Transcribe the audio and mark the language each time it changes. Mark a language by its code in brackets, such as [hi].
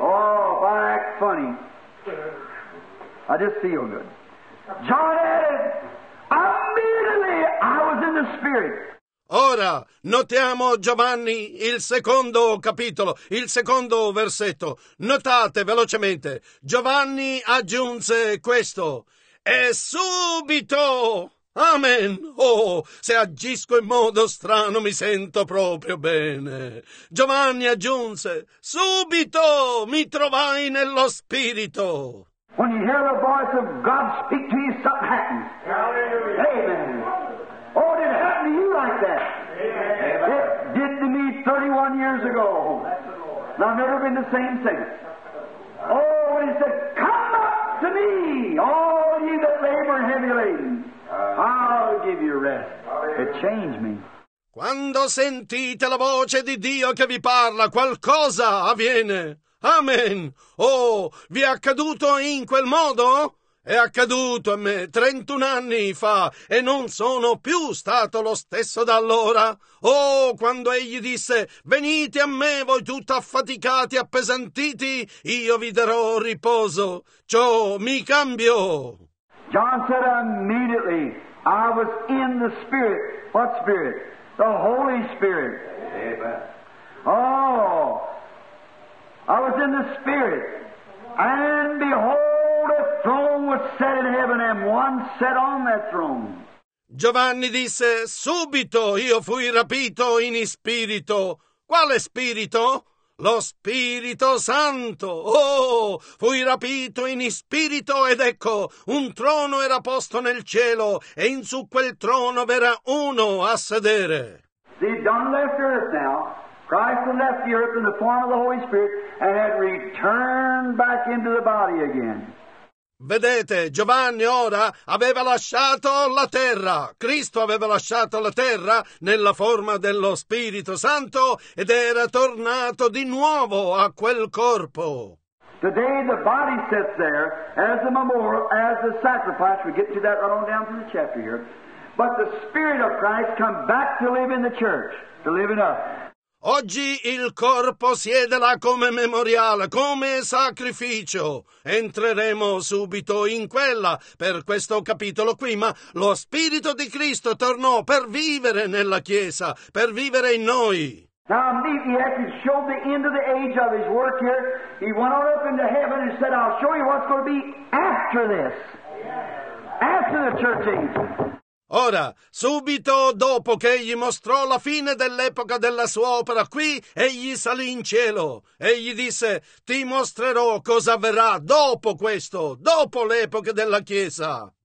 [en] Oh, if I act funny, I just feel good. John added, immediately I was in the Spirit. [it] Ora, notiamo Giovanni, il secondo capitolo, il secondo versetto. Notate velocemente. Giovanni aggiunse questo. E subito! Amen! Oh, se agisco in modo strano mi sento proprio bene. Giovanni aggiunse. Subito! Mi trovai nello spirito! [en] When you hear the voice of God speak to you, something happens. Hallelujah. Amen! Oh, did it happen to you like that? Amen. It did to me 31 years ago. And I've never been the same since. Oh, when he said, come up to me, all ye that labor and heavy laden. I'll give you rest. It changed me. [it] Quando sentite la voce di Dio che vi parla, qualcosa avviene. Amen. Oh, vi è accaduto in quel modo? È accaduto a me 31 anni fa e non sono più stato lo stesso da allora. Oh, quando egli disse, venite a me voi tutti affaticati, appesantiti, io vi darò riposo. Ciò mi cambiò. [en] John said immediately, I was in the Spirit. What Spirit? The Holy Spirit. Amen. Oh, I was in the Spirit. And behold, a throne was set in heaven, and one sat on that throne. [it] Giovanni disse, subito io fui rapito in spirito. Quale spirito? Lo Spirito Santo. Oh, fui rapito in spirito, ed ecco, un trono era posto nel cielo, e in su quel trono v'era uno a sedere. [en] See, John left earth now. Christ had left the earth in the form of the Holy Spirit and had returned back into the body again. [it] Vedete, Giovanni ora aveva lasciato la terra. Cristo aveva lasciato la terra nella forma dello Spirito Santo ed era tornato di nuovo a quel corpo. [en] Today the body sits there as a memorial, as a sacrifice. We get to that right on down through the chapter here. But the Spirit of Christ come back to live in the church, to live in us. [it] Oggi il corpo siede là come memoriale, come sacrificio. Entreremo subito in quella per questo capitolo qui, ma lo Spirito di Cristo tornò per vivere nella Chiesa, per vivere in noi. [en] Now Ezechiel showed the end of the age of his work here. He went on up into heaven and said, I'll show you what's going to be after this. After the church age. [it] Ora, subito dopo che egli mostrò la fine dell'epoca della sua opera qui, egli salì in cielo. Egli disse, ti mostrerò cosa avverrà dopo questo, dopo l'epoca della Chiesa.